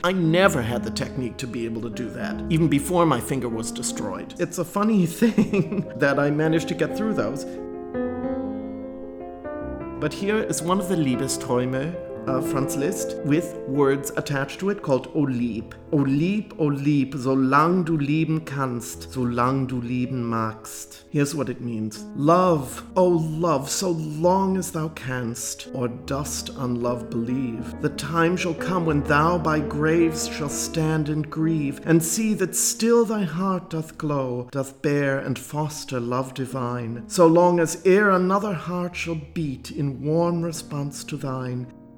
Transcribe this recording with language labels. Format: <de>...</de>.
<en>I never had the technique to be able to do that, even before my finger was destroyed. It's a funny thing that I managed to get through those. But here is one of the Liebesträume of Franz Liszt with words attached to it called O Lieb.</en> <de>O Lieb, O Lieb, so lang du lieben kannst, so lang du lieben magst.</de> <en>Here's what it means. Love, O love, so long as thou canst, or dost on love believe, the time shall come when thou by graves shall stand and grieve, and see that still thy heart doth glow, doth bear and foster love divine, so long as ere another heart shall beat in warm response to thine.</en>